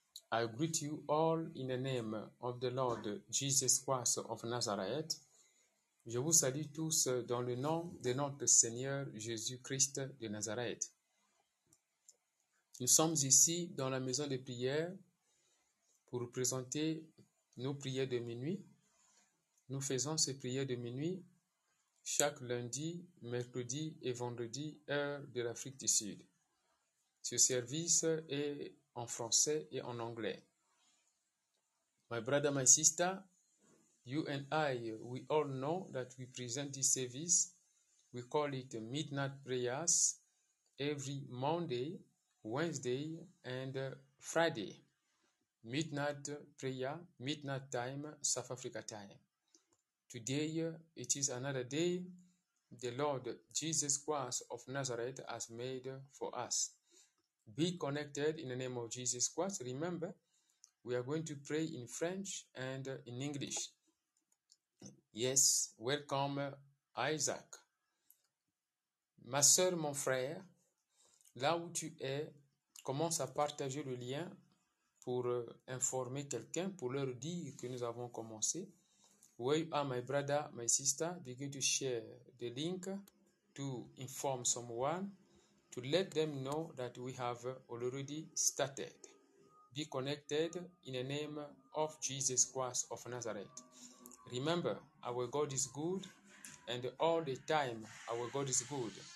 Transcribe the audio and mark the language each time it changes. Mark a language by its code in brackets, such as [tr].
[en] I greet you all in the name of the Lord Jesus Christ of Nazareth. [fr] Je vous salue tous dans le nom de notre Seigneur Jésus Christ de Nazareth. Nous sommes ici dans la maison de prière pour présenter nos prières de minuit. Nous faisons ces prières de minuit chaque lundi, mercredi et vendredi, heure de l'Afrique du Sud. Ce service est en français et en anglais. [en] My brother, my sister, you and I, we all know that we present this service. We call it Midnight Prayers every Monday, Wednesday and Friday. Midnight Prayer, Midnight Time, South Africa Time. Today, it is another day the Lord Jesus Christ of Nazareth has made for us. Be connected in the name of Jesus Christ. Remember, we are going to pray in French and in English. Yes, welcome Isaac. [fr] Ma soeur, mon frère, là où tu es, commence à partager le lien pour informer quelqu'un, pour leur dire que nous avons commencé. [en] Where you are, my brother, my sister, begin to share the link to inform someone, to let them know that we have already started. Be connected in the name of Jesus Christ of Nazareth. Remember, our God is good, and all the time our God is good.